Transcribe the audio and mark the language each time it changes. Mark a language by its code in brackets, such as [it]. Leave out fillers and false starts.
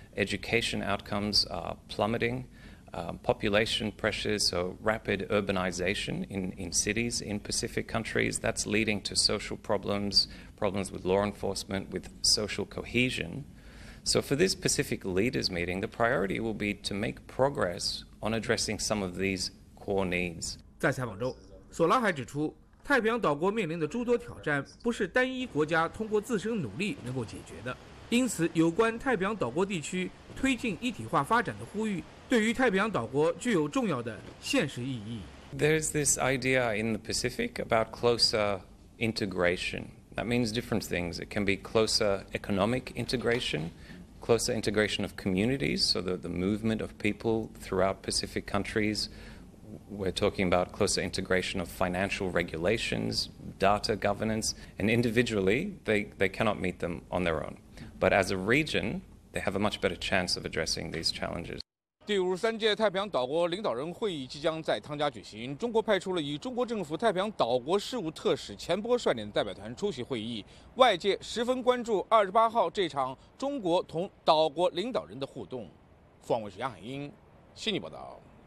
[en] Education outcomes are plummeting. Population pressures, so rapid urbanization in cities in Pacific countries, that's leading to social problems, problems with law enforcement, with social cohesion. So for this Pacific leaders meeting, the priority will be to make progress on addressing some of these core needs. [zh] 在采访中，索拉还指出，太平洋岛国面临的诸多挑战不是单一国家通过自身努力能够解决的，因此有关太平洋岛国地区推进一体化发展的呼吁对于太平洋岛国具有重要的现实意义。 [en] There's this idea in the Pacific about closer integration. That means different things. It can be closer economic integration, closer integration of communities, so the movement of people throughout Pacific countries. We're talking about closer integration of financial regulations, data governance, and individually they cannot meet them on their own. But as a region, they have a much better chance of addressing these challenges. [zh] 第五十三届太平洋岛国领导人会议即将在汤加举行，中国派出了以中国政府太平洋岛国事务特使钱波率领的代表团出席会议，外界十分关注28号这场中国同岛国领导人的互动。凤凰卫视杨海英，悉尼报道。